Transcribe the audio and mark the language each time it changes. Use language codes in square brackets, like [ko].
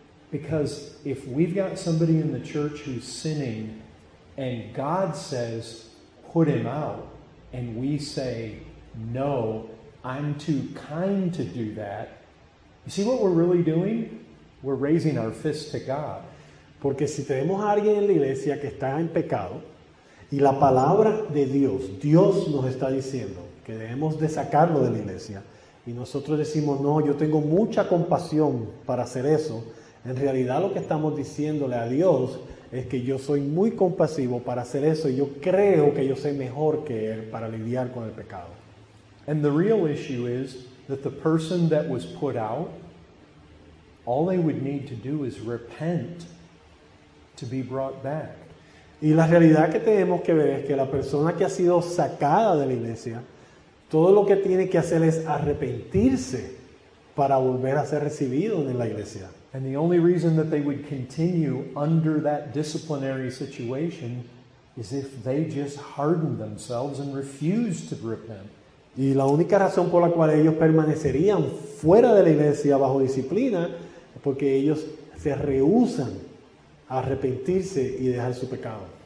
[en] Because if we've got somebody in the church who's sinning and God says, put him out, and we say, no, I'm too kind to do that. You see what we're really doing? We're raising our fist to God. [es] Porque si tenemos a alguien en la iglesia que está en pecado, y la palabra de Dios, Dios nos está diciendo que debemos de sacarlo de la iglesia, y nosotros decimos, no, yo tengo mucha compasión para hacer eso, en realidad lo que estamos diciéndole a Dios es que yo soy muy compasivo para hacer eso, y yo creo que yo soy mejor que él para lidiar con el pecado. [en] And the real issue is that the person that was put out, all they would need to do is repent to be brought back. [es] Y la realidad que tenemos que ver es que la persona que ha sido sacada de la iglesia, todo lo que tiene que hacer es arrepentirse para volver a ser recibido en la iglesia. [en] And the only reason that they would continue under that disciplinary situation is if they just hardened themselves and refused to repent. [es] Y la única razón por la cual ellos permanecerían fuera de la iglesia bajo disciplina es porque ellos se rehúsan a arrepentirse y dejar su pecado.